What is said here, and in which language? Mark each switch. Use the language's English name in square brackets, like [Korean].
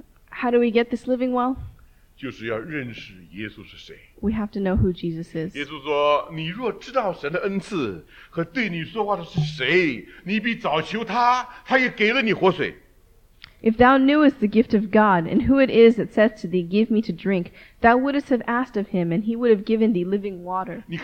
[English] How do we get this living well? [Chinese] 就是要认识耶稣是谁。 [English] We have to know who Jesus is. [Chinese] 耶稣说， 你若知道神的恩赐， 和对你说话的是谁， 你必早求他， 他也给了你活水。 [English] If thou knewest the gift of God, and who it is that saith to thee, Give me to drink, thou wouldest have asked of him, and he would have given thee living water.